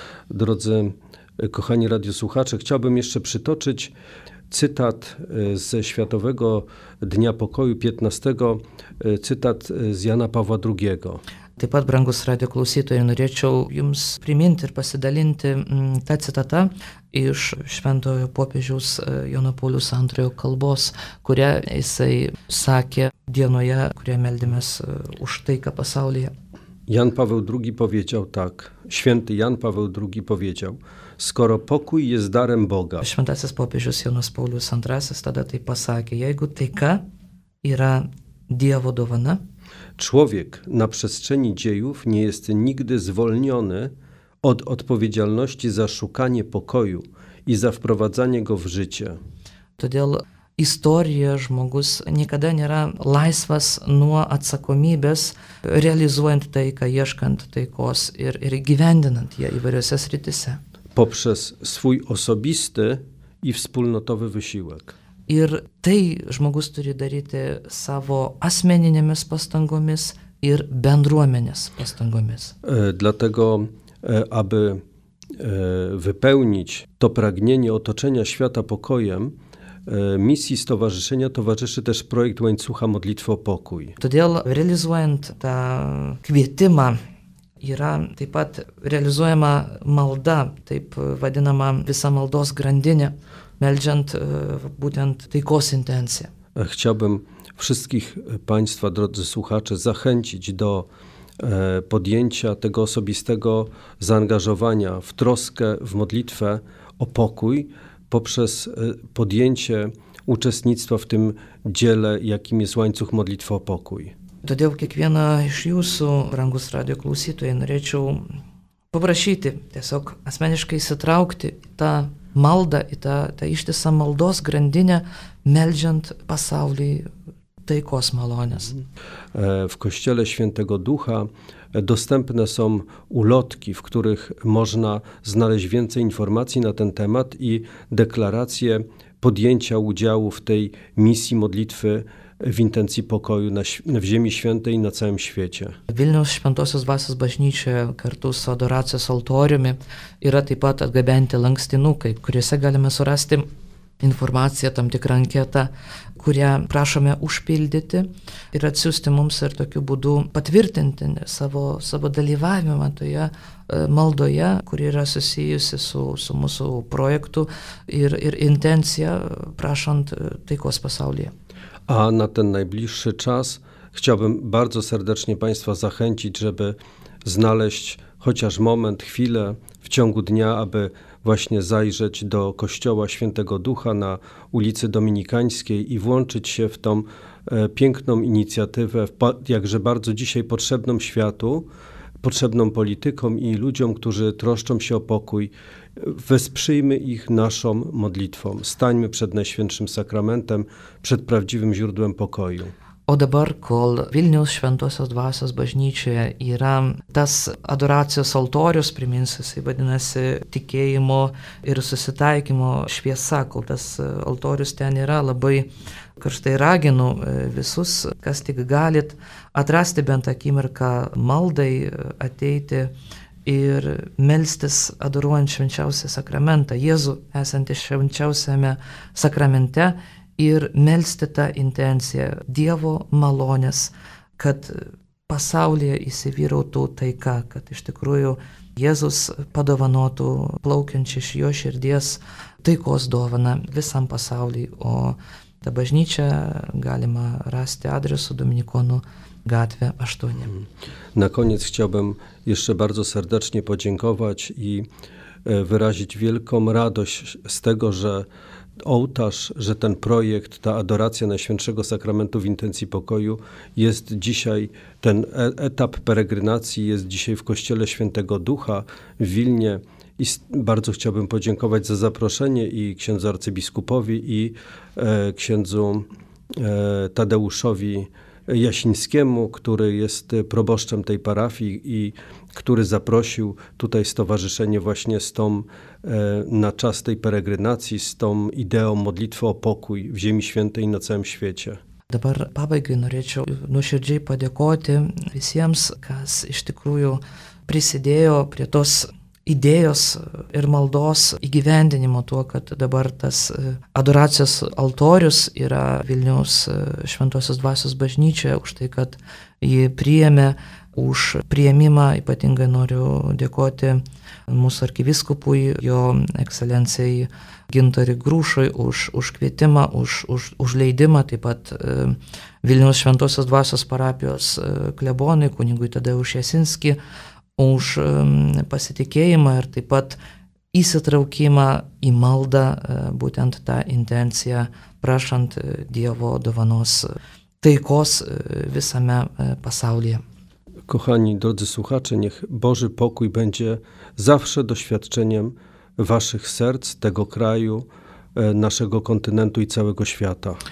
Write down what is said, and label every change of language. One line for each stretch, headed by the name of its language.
Polish: Drodzy, kochani radiosłuchacze, chciałbym jeszcze przytoczyć cytat ze Światowego Dnia Pokoju 15, cytat z Jana Pawła II.
Lithuanian: Taip pat, brangus radio klausytojai, norėčiau jums priminti ir pasidalinti tą citatą iš Šventojo Popiežiaus Jono Pauliaus II kalbos, kurią jisai sakė dienoje, kurioje meldėmės už taiką pasaulyje.
Polish: Jan Paweł II powiedział tak. Święty Jan Paweł II powiedział: skoro pokój jest darem Boga.
Lithuanian: Šventasis popiežius Jonas Paulius II tada taip pasakė: jeigu taika yra Dievo dovana.
Polish: Człowiek na przestrzeni dziejów nie jest nigdy zwolniony od odpowiedzialności za szukanie pokoju i za wprowadzanie go w życie.
Lithuanian: Todėl istorija žmogus niekada nėra laisvas nuo atsakomybės, realizuojant taiką, ieškant taikos ir gyvendinant ją įvairiose srityse.
Polish: Poprzez swój osobisty i wspólnotowy wysiłek.
Lithuanian: Ir tai žmogus turi daryti savo asmeninėmis pastangomis ir bendruomenės pastangomis.
Polish: Dlatego, aby wypełnić to pragnienie otoczenia świata pokojem, misji stowarzyszenia towarzyszy też projekt łańcucha modlitwy o pokój.
Lithuanian: Todėl realizuojant tą kwietimą, yra taip pat realizuojama malda, taip vadinama visa maldos grandinė, meldžiant būtent taikos intenciją.
Polish: Chciałbym wszystkich państwa, drodzy słuchacze, zachęcić do podjęcia tego osobistego zaangażowania w troskę, w modlitwę o pokój poprzez podjęcie uczestnictwa w tym dziele, jakim jest łańcuch modlitwy o pokój.
Lithuanian: Todėl kiekvieną iš jūsų, brangus radio klausytojai, norėčiau paprašyti, tiesiog asmeniškai įsitraukti tą maldą, į tą ištisą maldos grandinę, meldžiant pasaulį taikos malonės.
Polish: W kościele Świętego Ducha dostępne są ulotki, w których można znaleźć więcej informacji na ten temat i deklaracje podjęcia udziału w tej misji modlitwy w intencji pokoju w Ziemi Świętej i na całym świecie.
Lithuanian: Vilniaus Šventosios Dvasios bažnyčioje kartu su adoracijos altoriumi yra taip pat atgabenti lankstinukai, kuriuose galime surasti informaciją, tam tikrą anketą, kurią prašome užpildyti ir atsiųsti mums ir tokiu būdu patvirtinti savo dalyvavimą toje maldoje, kuri yra susijusi su mūsų projektu ir intencija prašant taikos pasaulyje.
Polish: A na ten najbliższy czas chciałbym bardzo serdecznie Państwa zachęcić, żeby znaleźć chociaż moment, chwilę w ciągu dnia, aby właśnie zajrzeć do Kościoła Świętego Ducha na ulicy Dominikańskiej i włączyć się w tą piękną inicjatywę, jakże bardzo dzisiaj potrzebną światu, potrzebną politykom i ludziom, którzy troszczą się o pokój. Wesprzyjmy ich naszą modlitwą. Stańmy przed Najświętszym Sakramentem, przed prawdziwym źródłem pokoju.
Lithuanian: O dabar, kol Vilniaus Šventosios Dvasios bažnyčioje yra tas adoracijos altorius, priminsiu, jisai vadinasi tikėjimo ir susitaikymo šviesa, kol tas altorius ten yra, labai karštai raginu visus, kas tik galit, atrasti bent akimirką maldai ateiti ir melstis adoruojant švenčiausią sakramentą, Jėzų esantį švenčiausiame sakramente, ir melsti tą intenciją Dievo malonės, kad pasaulyje įsivyrautų taika, kad iš tikrųjų Jėzus padovanotų plaukiančią iš jo širdies taikos dovaną visam pasaulyje. O tą bažnyčią galima rasti adresu Dominikonų gatvė 8.
Polish: Na koniec chciałbym jeszcze bardzo serdecznie podziękować i wyrazić wielką radość z tego, że ołtarz, że ten projekt, ta adoracja Najświętszego Sakramentu w intencji pokoju jest dzisiaj, ten etap peregrynacji jest dzisiaj w Kościele Świętego Ducha w Wilnie i bardzo chciałbym podziękować za zaproszenie i księdzu arcybiskupowi i księdzu Tadeuszowi Jasińskiemu, który jest proboszczem tej parafii i który zaprosił tutaj stowarzyszenie właśnie z tą, na czas tej peregrynacji, z tą ideą modlitwy o pokój w Ziemi Świętej i na całym świecie.
Lithuanian: Dabar pabaigai norėčiau nuoširdžiai padėkoti visiems, kas iš tikrųjų prisidėjo prie tos idėjos ir maldos įgyvendinimo tuo, kad dabar tas adoracijos altorius yra Vilniaus Šventosios Dvasios bažnyčioje už tai, kad jį priėmė už priėmimą. Ypatingai noriu dėkoti mūsų arkivyskupui, jo ekscelencijai Gintarui Grušui už kvietimą, už leidimą, taip pat Vilniaus Šventosios Dvasios parapijos klebonui, kunigui Tadeušui Jasinskiui, už pasitikėjimą ir taip pat įsitraukimą į maldą, būtent tą intenciją, prašant Dievo dovanos taikos visame pasaulyje.
Polish: Kochani, drodzy słuchacze, niech Boży pokój będzie zawsze doświadczeniem waszych serc, tego kraju, naszego kontynentu i całego świata.